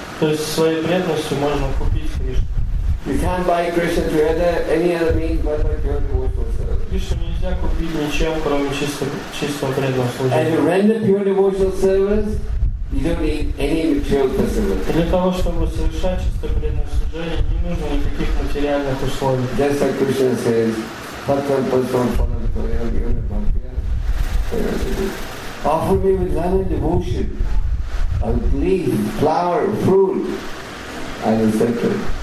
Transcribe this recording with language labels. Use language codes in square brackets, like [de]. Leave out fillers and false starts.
[ru] То есть своей преданностью можно купить Кришну. [en] You can't buy Krishna through any other means but by pure devotional service. [ru] Кришну нельзя купить ничем, кроме чистого преданного служения. [en] And to render pure devotional service, you don't need any material facility. [ru] Для того, чтобы совершать чистое преданное служение, не нужно никаких материальных условий. [en] Just like Krishna says, [sa] Patram Patram Panam Toyal Yuna Bhakya. [en] Offer me with love and devotion. A leaf, flower, fruit, and a sacred.